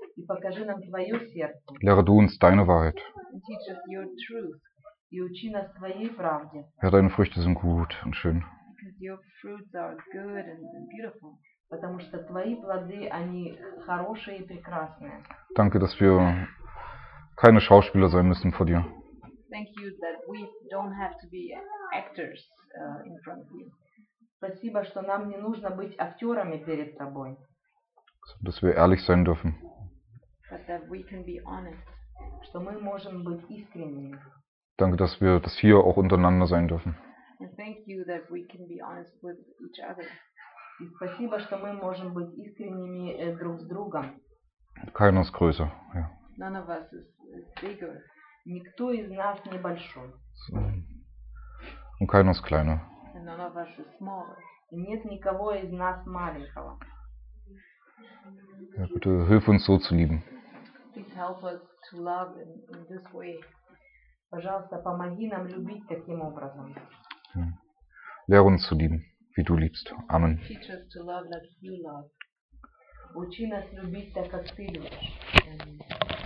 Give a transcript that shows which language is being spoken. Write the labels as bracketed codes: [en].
[ru] И покажи нам твое сердце. [de] Lehre du uns deine Wahrheit. [en] And teach us your truth. [ru] И учи нас твоей правде. [de] Ja, deine Früchte sind gut und schön. [en] Because your fruits are good and beautiful. [ru] Потому что твои плоды, они хорошие и прекрасные. [de] Danke, dass wir keine Schauspieler sein müssen vor dir. [en] Thank you that we don't have to be actors in front of you. [ru] Спасибо, что нам не нужно быть актерами перед тобой. [de] So, dass wir ehrlich sein dürfen. [en] But that we can be honest. [ru] Что мы можем быть искренними. [de] Danke, dass wir das hier auch untereinander sein dürfen. [en] And thank you that we can be honest with each other. [ru] И спасибо, что мы можем быть искренними друг с другом. [de] Keiner ist größer, ja. [en] None of us is bigger. [ru] Никто из нас не большой. [de] So. Und keiner ist kleiner. [en] And none of us is smaller. [ru] И нет никого из нас маленького. [de] Ja, bitte hilf uns so zu lieben. [en] Please help us to love in this way. [ru] Пожалуйста, помоги нам любить таким образом. [de] Lehre uns zu lieben, wie du liebst. Amen. [en] Teach us to love like you love. [ru] Учи нас любить так, как ты любишь.